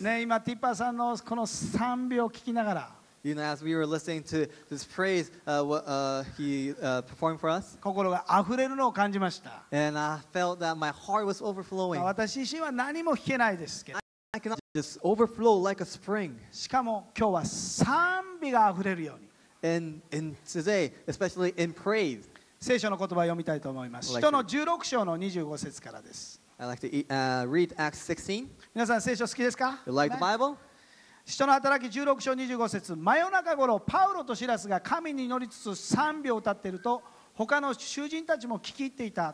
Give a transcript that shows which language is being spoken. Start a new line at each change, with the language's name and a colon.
Japanese: ね、今ティッパーさんのこの賛美を聞きながら。
English: You know, as we were listening to this praise, performed for us.
Japanese: 心が溢れるのを感じました。
English: And I felt that my heart was overflowing.
Japanese: 私自身は何も弾けないですけど。
English: I cannot just overflow like a spring.
Japanese: しかも今日は賛美が溢れるように。
English: And today, especially in praise.
Japanese: 聖書の言葉を読みたいと思います。使徒の16章の25節からです。
English: I'd like to read Acts 16.
Japanese: 皆さん聖書好きですか?
English: You like the Bible?
Japanese: 使徒の働き16章25節。真夜中頃、パウロとシラスが神に祈りつつ賛美を歌っていると、他の囚人たちも聞き入っていた。